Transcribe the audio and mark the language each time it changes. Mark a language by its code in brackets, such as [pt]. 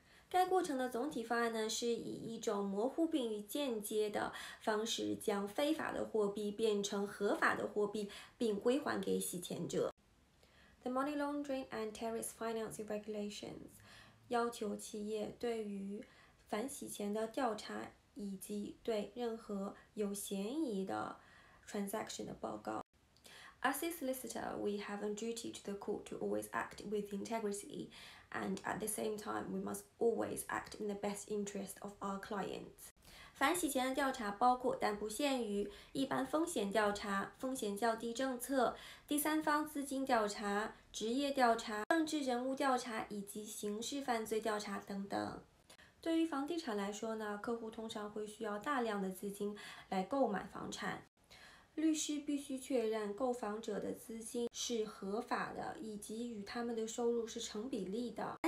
[zh] 该过程的总体方案呢，是以一种模糊并于间接的方式将非法的货币变成合法的货币，并归还给洗钱者。 The Money Laundering and Terrorist Financing Regulations 要求企业对于反洗钱的调查以及对任何有嫌疑的 transaction 的报告。 [en] As a solicitor, we have a duty to the court to always act with integrity, and at the same time, we must always act in the best interest of our clients. [zh] 反洗钱的调查包括但不限于一般风险调查、风险较低政策、第三方资金调查、职业调查、政治人物调查以及刑事犯罪调查等等。对于房地产来说呢，客户通常会需要大量的资金来购买房产，律师必须确认购房者的资金是合法的，以及与他们的收入是成比例的。